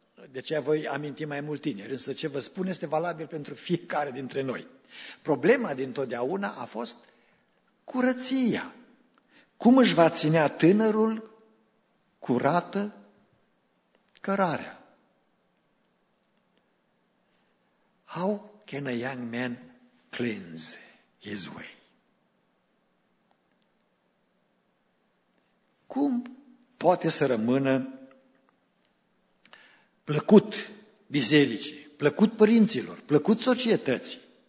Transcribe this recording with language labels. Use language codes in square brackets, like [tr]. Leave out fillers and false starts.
[ro] De aceea voi aminti mai mult tineri, însă ce vă spun este valabil pentru fiecare dintre noi. Problema dintotdeauna a fost curăția. Cum își va ținea tânărul curată cărarea? [en] How can a young man cleanse his way? [ro] Cum poate să rămână plăcut bisericii, plăcut părinților, plăcut societății?